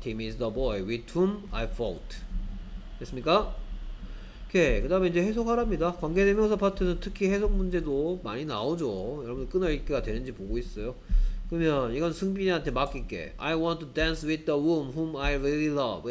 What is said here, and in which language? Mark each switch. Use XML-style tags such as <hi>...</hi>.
<en>Tim is the boy with whom I fought.</en> <ko>됐습니까? 오케이. 그 다음에 이제 해석하랍니다. 관계대명사 파트는 특히 해석 문제도 많이 나오죠. 여러분들 끊어읽기가 되는지 보고 있어요. 그러면 이건 승빈이한테 맡길게.</ko> <en>I want to dance with the woman whom I really love.</en>